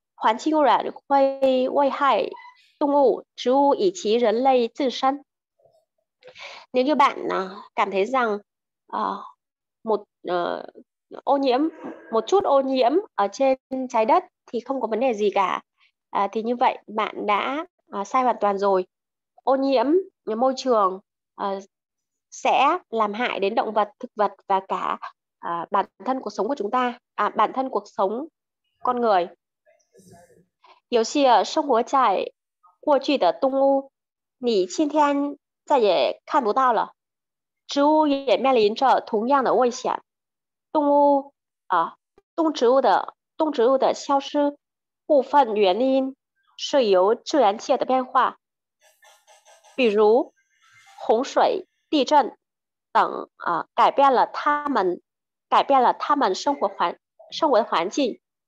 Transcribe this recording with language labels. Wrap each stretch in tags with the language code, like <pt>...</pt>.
<zh>环境污染会危害动物、植物以及人类自身。你就板呢，感觉上</zh> <vi>ô nhiễm một chút ô nhiễm ở trên trái đất thì không có vấn đề gì cả. Thì như vậy bạn đã sai hoàn toàn rồi. Ô nhiễm môi trường sẽ làm hại đến động vật, thực vật và cả bản thân cuộc sống của chúng ta, bản thân cuộc sống con người.</vi> <zh>有些生活在过去的动物，你今天再也看不到了。植物也面临着同样的危险。动物动植物的消失，部分原因是由自然界的变化，比如洪水、地震等改变了他们生活的环境。</zh>